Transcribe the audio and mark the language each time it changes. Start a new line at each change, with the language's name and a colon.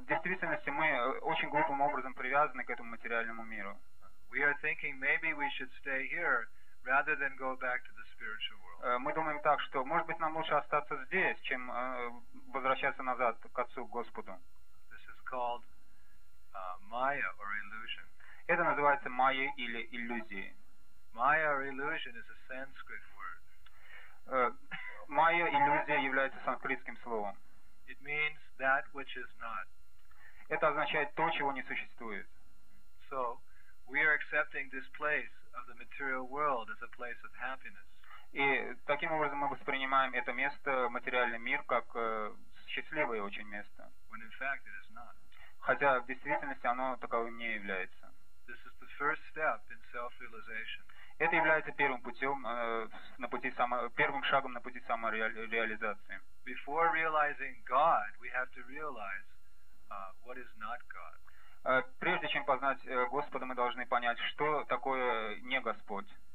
Russian: В действительности мы очень глупым образом привязаны к этому материальному миру.
English: We are thinking maybe we should stay here rather than go back to the spiritual world.
Russian: Мы думаем так, что может быть нам лучше остаться здесь, чем возвращаться назад к Отцу, к Господу.
English: This is called Maya or illusion.
Russian: Это называется майя или иллюзией.
English: Maya or illusion is a Sanskrit word.
Russian: Майя иллюзия является санскритским словом.
English: It means that which is not.
Russian: Это означает то, чего не существует.
English: So we are accepting this place of the material world as a place of happiness.
Russian: И таким образом мы воспринимаем это место, материальный мир, как счастливое очень место.
English: When in fact it is not.
Russian: Хотя в действительности оно таковым не является.
English: This is the first step in self-realization.
Russian: Это является первым путем на пути первым шагом на пути самореализации.
English: Before realizing God, we have to realize what is not God.
Russian: Прежде чем познать Господа, мы должны понять, что такое не Господь.